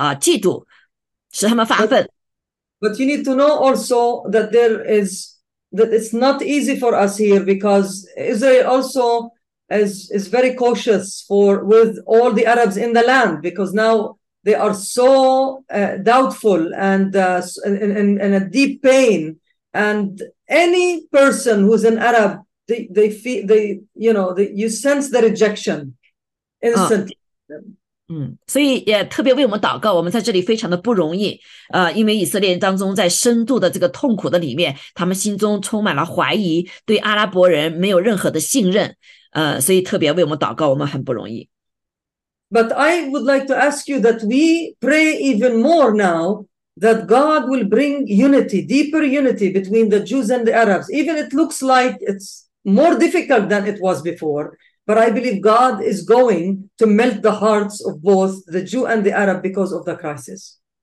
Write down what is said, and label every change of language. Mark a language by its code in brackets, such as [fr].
[zh] 所以我相信这是我们的时刻，我们把这个耶稣这个美好的消息啊，这个也是他们所盼望的弥赛亚带到以色列人当中，还有阿拉伯人当中，更是借着这个神的作为，使以色列人心里面发出这个嫉妒，使他们发愤。 [en] But you need to know also that there is that it's not easy for us here because Israel also. Is very cautious for with all the Arabs in the land because now they are so doubtful and in a deep pain and any person who's an Arab, they feel they, you know, they, you sense the rejection instantly. [zh] 所以也特别为我们祷告，我们在这里非常的不容易，因为以色列当中在深度的这个痛苦的里面，他们心中充满了怀疑，对阿拉伯人没有任何的信任，所以特别为我们祷告，我们很不容易。 [en] But I would like to ask you that we pray even more now that God will bring unity, deeper unity between the Jews and the Arabs. Even it looks like it's more difficult than it was before. But I believe God is going to melt the hearts of both the Jew and the Arab because of the crisis.